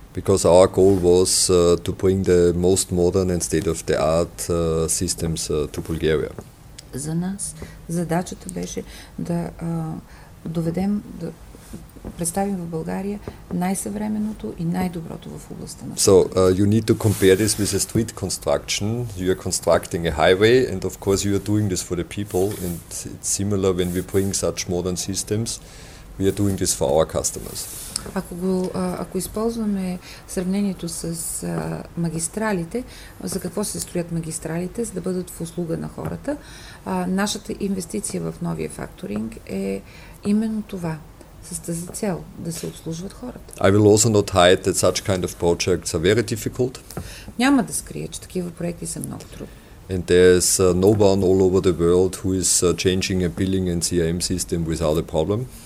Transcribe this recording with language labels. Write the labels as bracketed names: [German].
[English] Because our goal was to bring the most modern and state-of-the-art systems to Bulgaria. [Bulgarian] За нас задачата беше да доведем, да представим в България най-съвременното и най-доброто в областта на. [English] So, you need to compare this with a street construction. You are constructing a highway and of course you are doing this for the people and it's similar when we bring such modern systems. We are doing this for our customers. [Bulgarian] Ако използваме сравнението с магистралите, за какво се строят магистралите, за да бъдат в услуга на хората, нашата инвестиция в новия факторинг е именно това, с тази цел да се обслужват хората. [English] I will also not hide that such kind of projects are very difficult. [Bulgarian] Няма да скрия, че такива проекти са много трудни. [English] And there's no one all over the world who is changing a billing and CRM system without a problem.